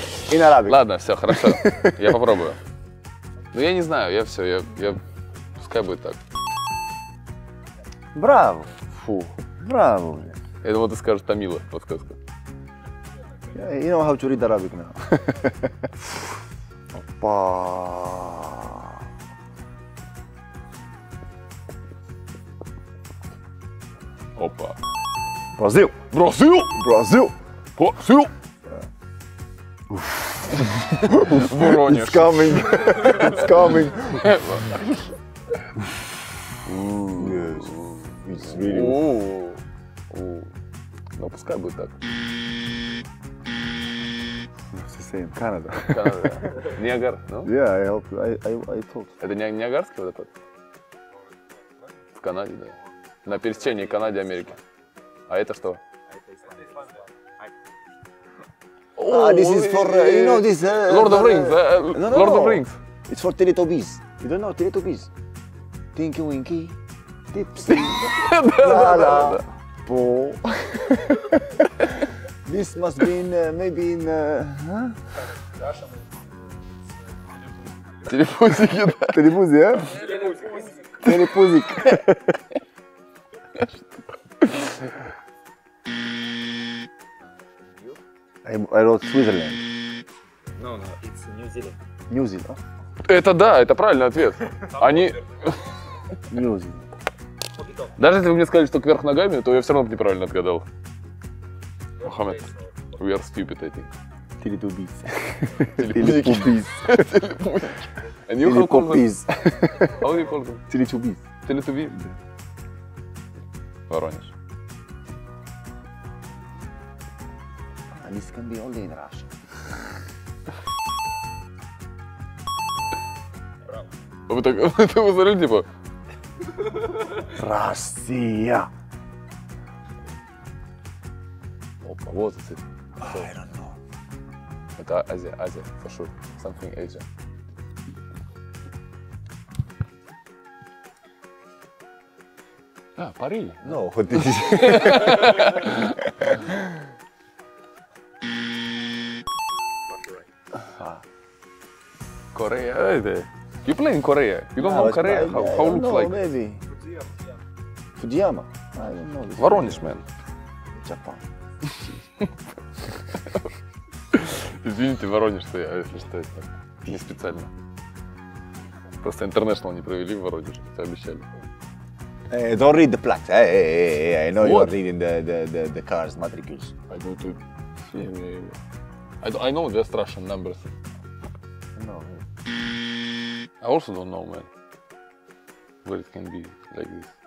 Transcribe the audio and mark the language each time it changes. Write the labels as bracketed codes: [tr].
[ru] И на арабском. Ладно, все, хорошо. Я попробую. Ну я не знаю, я все, я пускай будет так. Браво. Фу. Браво. Я думал, ты скажешь Тамила, подсказка. [en] You know how to read Arabic now. [ru] Опа. Опа. Бразил. Бразил. Бразил. Бразил. Воронеж. [en] It's coming. It's coming. Yes. It's really... [ru] Ну, пускай будет так. [en] It's the same. Canada. Ниагар, no? Yeah, I helped you. I told. [ru] Это Ниагарский водопад? В Канаде, да. На пересечении Канады и Америки. А это что? [en] Oh, this is for, you know, this... Lord of Rings. Lord of Rings. It's for Teletubbies. You don't know Teletubbies? Tinky Winky. Tipsy. Lala. Po. This must be in, maybe in... [ru] Телепузик. Телепузик, а? Телепузик. [en] I wrote Switzerland. No, no, it's New Zealand. New Zealand. [ru] Это да, это правильный ответ. Они... [en] New Zealand. [ru] Даже если вы мне сказали, что кверх ногами, то я все равно бы неправильно отгадал. [en] Мухаммед, we are stupid, I think. [ru] Телетубиз. Телетубиз. Телетубиз. [en] How do you call them? [ru] Телетубиз. Телетубиз? Воронеж. [en] This can be only in Russia. [ru] Браво. Вы так, это вы смотрели, типа... Россия! Опа, вот это. [en] I don't know. [ru] Это Азия, Азия, [en] for sure. Something Asia. [ru] А, Париж. [en] No, what did you say? Korea, you play in Korea? You go from Korea? How it looks know, like? Maybe. Fujiyama. I don't know. Воронеж, man. Japan. [ru] Извините, Воронеж, что я, если что, это не специально. Просто international не провели в Воронеже, это обещали. [en] Hey, don't read the plaques. Hey, hey, hey, I know what? You are reading the cars matricules. I don't know. I know just Russian numbers. No. I also don't know, man. Where it can be like this.